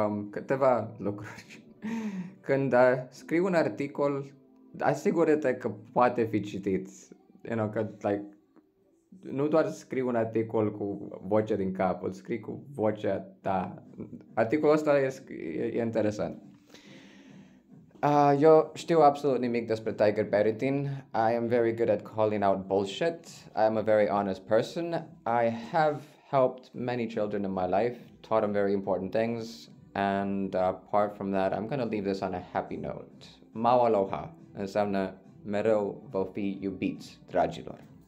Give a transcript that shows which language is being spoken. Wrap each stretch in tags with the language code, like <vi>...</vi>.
<ro>Câteva lucruri. Când scriu un articol, asigură-te că poate fi citit.</ro> <en>You know,</en> <ro>că, like, nu doar scriu un articol cu voce din cap, îl scrii cu vocea ta. Articolul ăsta e interesant. Eu știu absolut nimic despre Tiger Beritin.</ro> <en>I am very good at calling out bullshit. I am a very honest person. I have helped many children in my life, taught them very important things, and apart from that, I'm going to leave this on a happy note.</en> <haw>Mau aloha.</haw> <ro>Înseamnă mereu vă fi iubiți, dragilor.</ro>